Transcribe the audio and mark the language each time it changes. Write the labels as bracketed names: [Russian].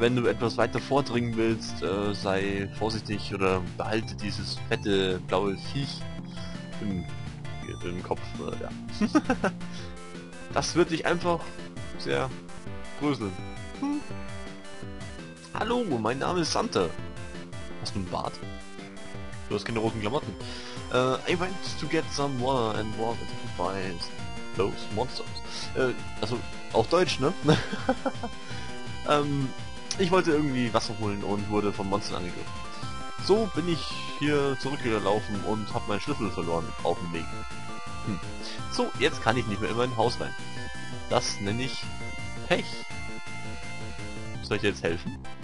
[German] Wenn du etwas weiter vordringen willst, sei vorsichtig oder behalte dieses fette blaue Viech im Kopf. Ja. Das wird dich einfach sehr gruseln. Hm. Hallo, mein Name ist Santa. Hast du einen Bart? Du hast keine roten Klamotten. [English] I went to get some water and walk to find those monsters. [German] Also, auf Deutsch, ne? ich wollte irgendwie Wasser holen und wurde von Monstern angegriffen. So bin ich hier zurückgelaufen und habe meinen Schlüssel verloren auf dem Weg. Hm. So, jetzt kann ich nicht mehr in mein Haus rein. Das nenne ich Pech. Soll ich dir jetzt helfen?